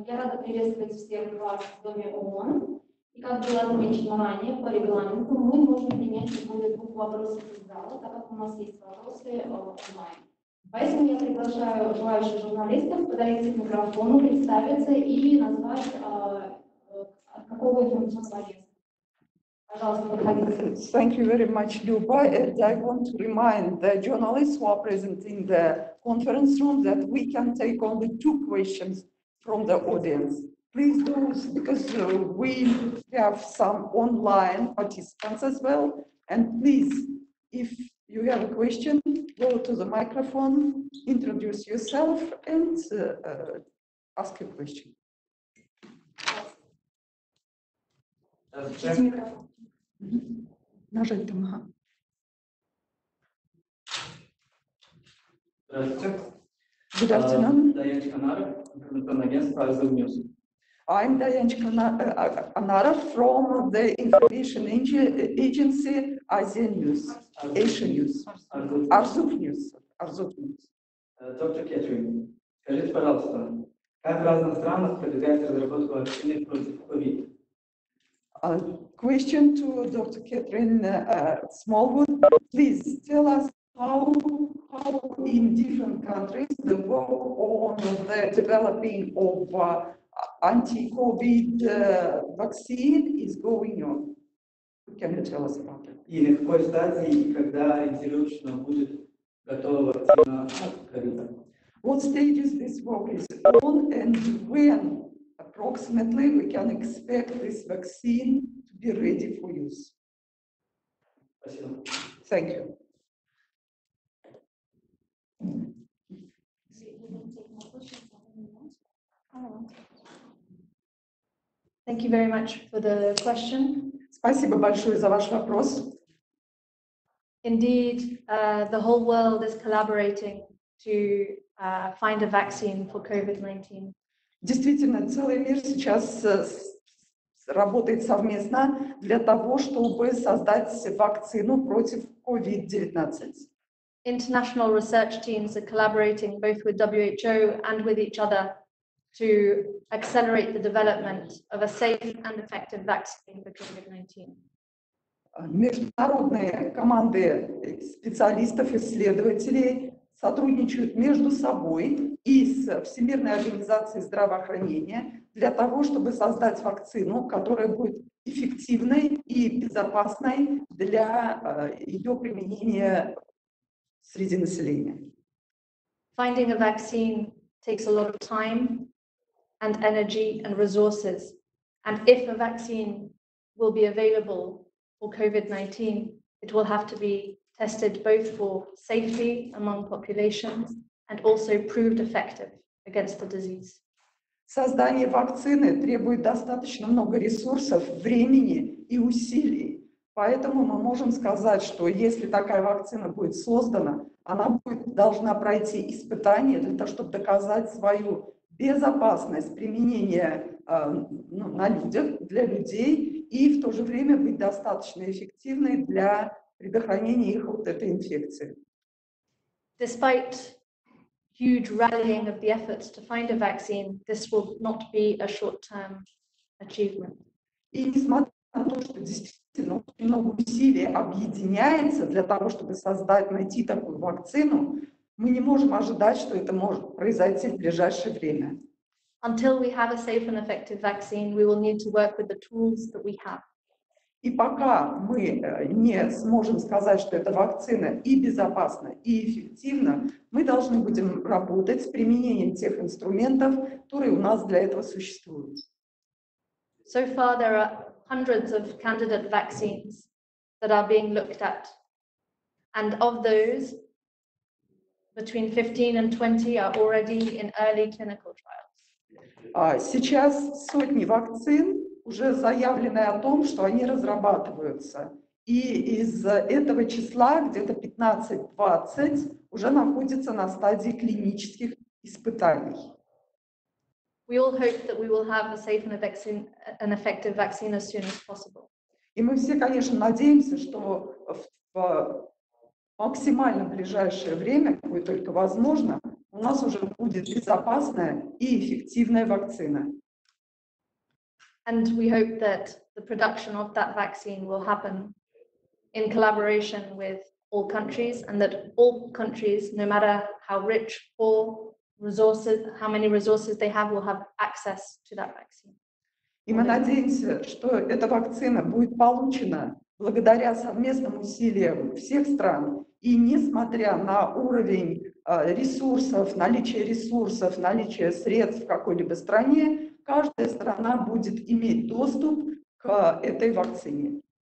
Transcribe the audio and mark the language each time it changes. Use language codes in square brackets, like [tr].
[ru] Я рада приветствовать всех вас в Доме ООН. И как было отмечено ранее, по регламенту мы можем принять более двух вопросов из зала, так как у нас есть вопросы онлайн. Поэтому я приглашаю желающих журналистов подойти к микрофону, представиться и назвать, от какого информационного агентства. [en] Thank you very much, Luba. And I want to remind the journalists who are present in the conference room that we can take only two questions from the audience. Please do, because we have some online participants as well. And please, if you have a question, go to the microphone, introduce yourself and ask your question. [ru] Нажать там, ага. Здравствуйте. [en] Good afternoon. [ru] Даян Чканаров, информационное агентство Азов Ньюс. [en] I'm Даян Чканаров from the information agency Азия Ньюс, Asia Ньюс. Арзук Ньюс. Арзук Ньюс. [ru] Доктор Кетрин, скажите, пожалуйста, как в разных странах продвигается разработка вакцины против COVID? [en] A question to Dr. Catherine Smallwood. Please tell us how in different countries the work on the developing of anti-COVID vaccine is going on. Can you tell us about it? [ru] И на какой стадии, когда интервью будет готова вакцина COVID? [en] What stage is this work is on and when approximately we can expect this vaccine to be ready for use? [ru] Спасибо. [en] Thank you. Thank you very much for the question. [ru] Спасибо большое за ваш вопрос. [en] Indeed, the whole world is collaborating to find a vaccine for COVID-19. [ru] Действительно, целый мир сейчас работает совместно для того, чтобы создать вакцину против COVID-19. [en] International research teams are collaborating both with WHO and with each other to accelerate the development of a safe and effective vaccine for COVID-19. [ru] Международные команды специалистов-исследователей сотрудничают между собой и с Всемирной организацией здравоохранения для того, чтобы создать вакцину, которая будет эффективной и безопасной для ее применения среди населения. [en] Finding a vaccine takes a lot of time and energy and resources. And if a vaccine will be available for COVID-19, it will have to be tested both for safety among populations and also proved effective against the disease. [ru] Создание вакцины требует достаточно много ресурсов, времени и усилий. Поэтому мы можем сказать, что если такая вакцина будет создана, она будет, должна пройти испытания для того, чтобы доказать свою безопасность применения на людях, для людей, и в то же время быть достаточно эффективной для предохранения их от этой инфекции. [en] Despite huge rallying of the efforts to find a vaccine, this will not be a short-term achievement. [ru] И несмотря на то, что действительно очень много усилий объединяется для того, чтобы создать, найти такую вакцину, мы не можем ожидать, что это может произойти в ближайшее время. [en] Until we have a safe and effective vaccine, we will need to work with the tools that we have. [ru] И пока мы не сможем сказать, что эта вакцина и безопасна, и эффективна, мы должны будем работать с применением тех инструментов, которые у нас для этого существуют. [en] So far there are hundreds of candidate vaccines that are being looked at. And of those, between 15 and 20 are already in early clinical trials. [ru] Сейчас сотни вакцин уже заявлены о том, что они разрабатываются. И из этого числа где-то 15-20 уже находится на стадии клинических испытаний. [en] We all hope that we will have a safe and effective vaccine as soon as possible. [ru] И мы все, конечно, надеемся, что в максимально ближайшее время, какое только возможно, у нас уже будет безопасная и эффективная вакцина. [en] And we hope that the production of that vaccine will happen in collaboration with all countries, and that all countries, no matter how rich or resources, how many resources they have, will have access to that vaccine. [ru] И мы надеемся, что эта вакцина будет получена благодаря совместным усилиям всех стран, и несмотря на уровень ресурсов, наличие средств в какой-либо стране, каждая страна будет иметь доступ к этой вакцине.